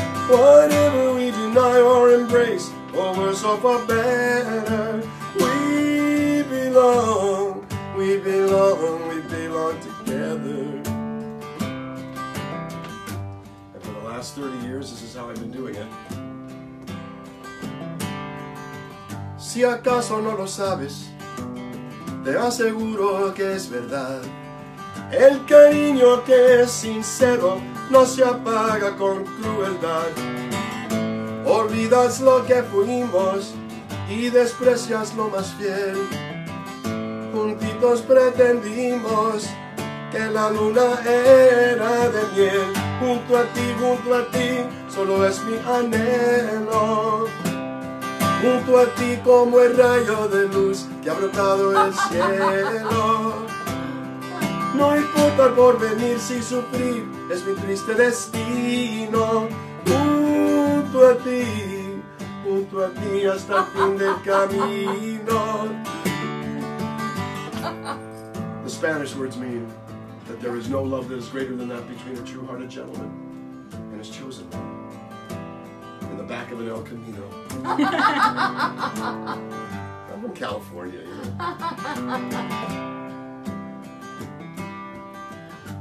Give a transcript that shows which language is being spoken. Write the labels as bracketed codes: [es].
[en] Whatever we deny or embrace, or worse or for better, we belong together. And for the last 30 years, this is how I've been doing it. [es] Si acaso no lo sabes, te aseguro que es verdad. El cariño que es sincero no se apaga con crueldad. Olvidas lo que fuimos y desprecias lo más fiel. Juntitos pretendimos que la luna era de miel. Junto a ti, junto a ti, solo es mi anhelo. Junto a ti como el rayo de luz que ha brotado el cielo. No importa el porvenir, si sufrir es mi triste destino. Junto a ti, junto a ti, hasta el fin del camino. [en] The Spanish words mean that there is no love that is greater than that between a true-hearted gentleman and his chosen one. In the back of an El Camino. I'm from California, you know.